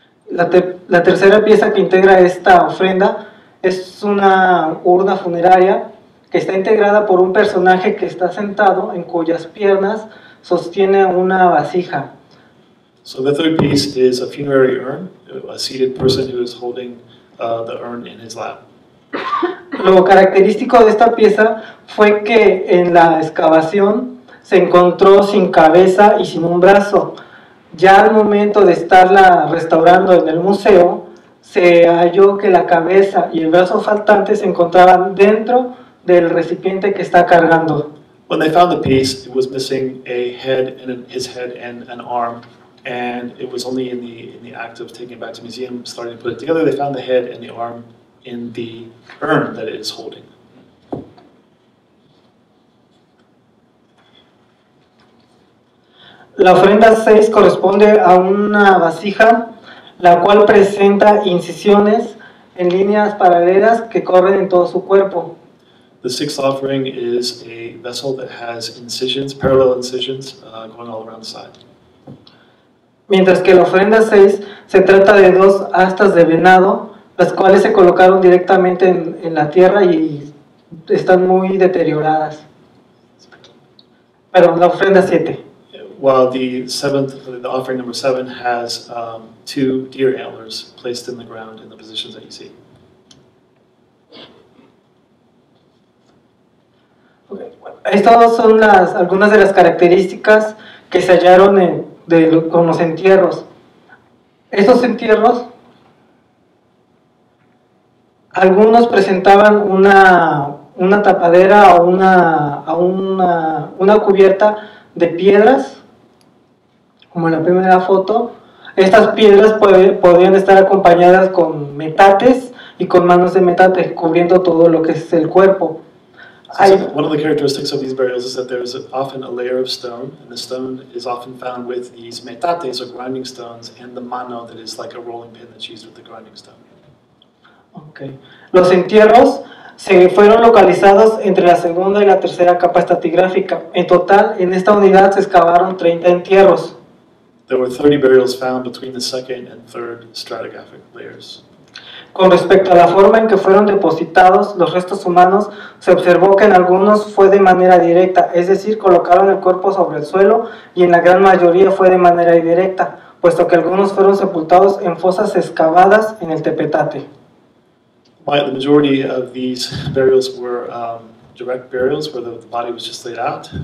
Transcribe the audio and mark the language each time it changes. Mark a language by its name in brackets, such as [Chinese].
[Spanish] La tercera pieza que integra esta ofrenda es una urna funeraria que está integrada por un personaje que está sentado en cuyas piernas sostiene una vasija. [English] So the third piece is a funerary urn, a seated person who is holding the urn in his lap. [Spanish] Lo característico de esta pieza fue que en la excavación se encontró sin cabeza y sin un brazo. Ya al momento de estarla restaurando en el museo, se halló que la cabeza y el brazo faltante se encontraban dentro del recipiente que está cargando. [English] When they found the piece, it was missing a head and his head and an arm. And it was only in the act of taking it back to the museum, starting to put it together, they found the head and the arm in the urn that it is holding. [Spanish] La ofrenda 6 corresponde a una vasija, la cual presenta incisiones en líneas paralelas que corren en todo su cuerpo. [English] The sixth offering is a vessel that has incisions, parallel incisions, going all around the side. [Spanish] Mientras que la ofrenda 6 se trata de dos astas de venado, las cuales se colocaron directamente en la tierra y están muy deterioradas. Perdón, la ofrenda 7. [English] While the seventh, the offering number 7 has two deer antlers placed in the ground in the positions that you see. Okay. [Spanish] Estas son algunas de las características que se hallaron con los entierros. Estos entierros, algunos presentaban una tapadera o una cubierta de piedras, como en la primera foto. Estas piedras podían estar acompañadas con metates y con manos de metate, cubriendo todo lo que es el cuerpo. [English] One of the characteristics of these burials is that there is often a layer of stone, and the stone is often found with these metates, or grinding stones, and the mano, that is like a rolling pin that's used with the grinding stone. Okay. [Spanish] Los entierros se fueron localizados entre la segunda y la tercera capa estratigráfica. En total, en esta unidad se excavaron 30 entierros. [English] There were 30 burials found between the second and third stratigraphic layers. [Spanish] Con respecto a la forma en que fueron depositados los restos humanos, se observó que en algunos fue de manera directa, es decir, colocaron el cuerpo sobre el suelo, y en la gran mayoría fue de manera indirecta, puesto que algunos fueron sepultados en fosas excavadas en el Tepetate. [English] Well, the majority of these burials were direct burials, where the body was just laid out.